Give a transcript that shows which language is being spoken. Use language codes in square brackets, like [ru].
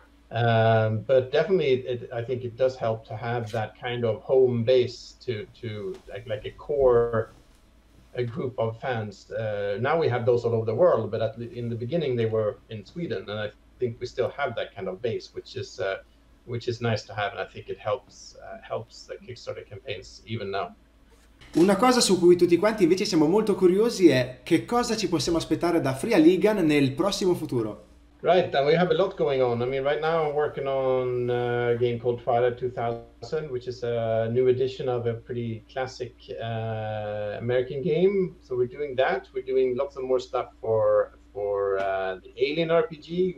[en] But definitely, I think it does help to have that kind of home base to like a core a group of fans. Now we have those all over the world, but in the beginning they were in Sweden. And I think we still have that kind of base, which is nice to have, and I think it helps the Kickstarter campaigns even now. [it] Una cosa su cui tutti quanti invece siamo molto curiosi è che cosa ci possiamo aspettare da Fria Ligan nel prossimo futuro. [en] Right, and we have a lot going on. I mean, right now I'm working on a game called Fire 2000, which is a new edition of a pretty classic American game. So we're doing that. We're doing lots of more stuff for the Alien RPG.